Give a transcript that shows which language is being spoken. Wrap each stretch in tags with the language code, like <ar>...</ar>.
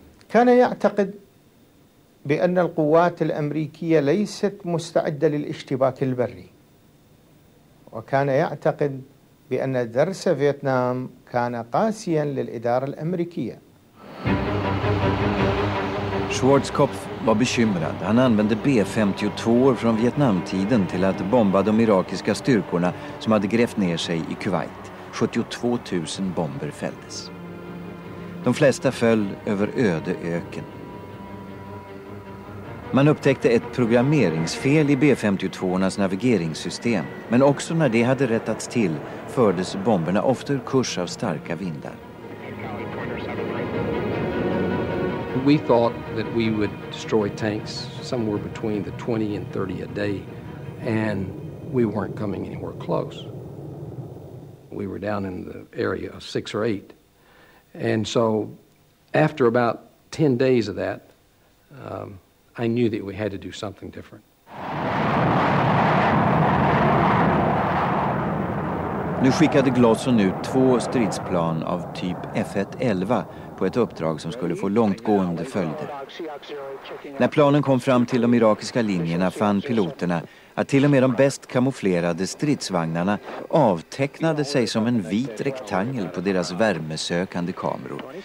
<sv>Kan jag tänka</sv> <ar>بأن القوات الأمريكية ليست مستعدة للاشتباك البري، وكان يعتقد بأن درس فيتنام كان قاسيا للإدارة الأمريكية.</ar> <sv>Schwarzkopf var bekymrad. Han använde B-52 från Vietnamtiden till att bomba de irakiska styrkorna som hade grävt ner sig i Kuwait. 72 000 bomber fälldes. De flesta föll över öde öken. Man upptäckte ett programmeringsfel i B-52-ornas navigeringssystem. Men också när det hade rättats till fördes bomberna ofta ur kurs av starka vindar.</sv> <en>We thought that we would destroy tanks somewhere between the 20 and 30 a day, and we weren't coming anywhere close. We were down in the area of 6 or 8. And so after about 10 days of that, I knew that we had to do something different.</en> <sv>Nu skickade Glasson ut 2 stridsplan av typ F111 på ett uppdrag som skulle få långtgående följder. När planen kom fram till de irakiska linjerna fann piloterna att till och med de bäst kamouflerade stridsvagnarna avtecknade sig som en vit rektangel på deras värmesökande kameror.</sv>